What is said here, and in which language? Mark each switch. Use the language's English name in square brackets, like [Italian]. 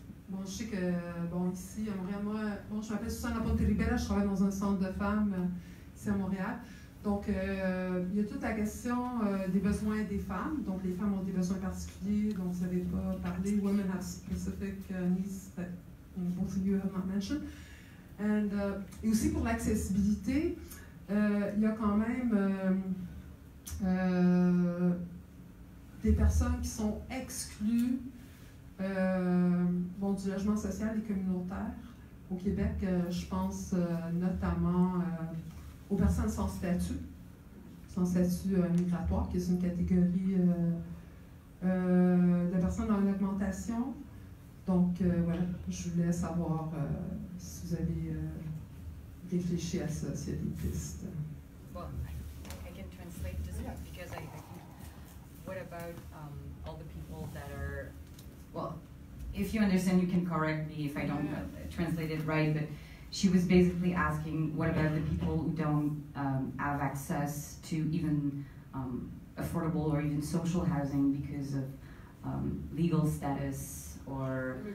[French] Bon, je sais que, bon, ici, à Montréal, moi, bon, je m'appelle Susanna Ponte-Ribella, je travaille dans un centre de femmes ici à Montréal. Donc, il y a toute la question des besoins des femmes. Donc, les femmes ont des besoins particuliers dont vous n'avez pas parlé. [English] Women have specific needs that both of you have not mentioned. [French] And, et aussi pour l'accessibilité, il y a quand même des personnes qui sont exclues bon, du logement social et communautaire au Québec. Je pense notamment aux personnes sans statut migratoire, qui est une catégorie de personnes en augmentation. Donc, voilà, je voulais savoir si vous avez réfléchi à ça, s'il y a des pistes. [English] What about all the people that are, well, if you understand, you can correct me if I don't translate it right, but she was basically asking, what about the people who don't have access to even affordable or even social housing because of legal status or